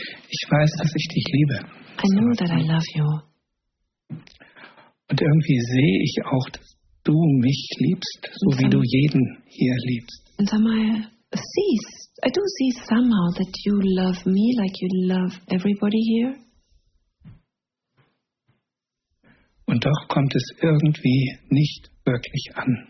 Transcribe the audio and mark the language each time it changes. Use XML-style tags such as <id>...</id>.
<de>Ich weiß, dass ich dich liebe.</de> <en>I know that I love you.</en> <de>Und irgendwie sehe ich auch, dass du mich liebst, so wie du jeden hier liebst.</de> <en>And somehow I do see somehow that you love me like you love everybody here.</en> <de>Und doch kommt es irgendwie nicht wirklich an.</de>